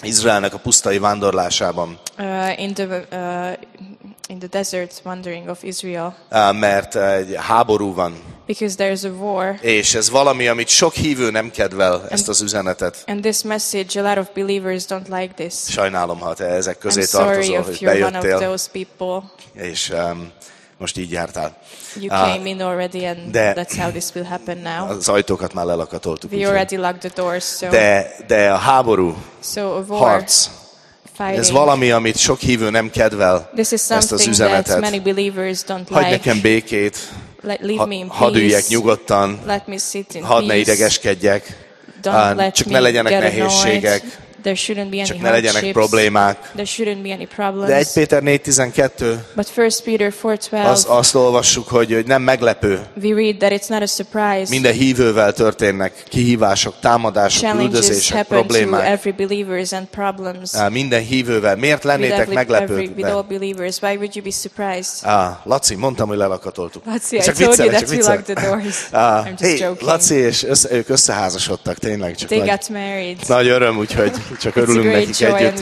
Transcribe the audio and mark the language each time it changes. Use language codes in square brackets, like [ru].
[hu] Izraelnek a pusztai vándorlásában. [en] In the desert wandering of Israel. [hu] Mert egy háború van. [en] Because there is a war. [hu] És ez valami, amit sok hívő nem kedvel, ezt az üzenetet. [en] And this message, a lot of believers don't like this. [hu] Sajnálom, ha te ezek közé [en] I'm [hu] tartozol, [en] sorry [hu] hogy [en] if you're [hu] bejöttél. [en] One of those people. [hu] És most így jártál. [en] You came in already, and [hu] de [en] that's how this will happen now. [hu] Az ajtókat már lelakatoltuk. [en] We already locked the doors, so. [hu] De a háború, [en] so a war, [hu] harc, [en] fighting. [hu] Ez valami, amit sok hívő nem kedvel, ezt az üzenetet. [en] That many believers don't like. [hu] Hagy nekem békét, [en] leave me in [hu] hadd üljek [en] peace [hu] nyugodtan, [en] let me sit in [hu] hadd [en] peace, [hu] ne idegeskedjek. Csak ne legyenek nehézségek. [en] There shouldn't be any [hu] csak ne legyenek problémák. [en] There shouldn't be any problems. [hu] De 1 Péter 4:12. Azt olvassuk, hogy nem meglepő. [en] We read that it's not a surprise. [hu] Minden hívővel történnek kihívások, támadások, üldözések, problémák. [en] To every believers and problems. [hu] Minden hívővel. Miért lennétek meglepődve? [en] With all believers, why would you be surprised? [hu] Laci, mondtam, hogy lelakatoltuk. [en] Laci, csak I told you that we locked the doors. I'm just joking. [hu] Laci és ők összeházasodtak, tényleg csak. [en] They got married. [hu] Nagy öröm, úgyhogy. Csak örülünk nekik együtt.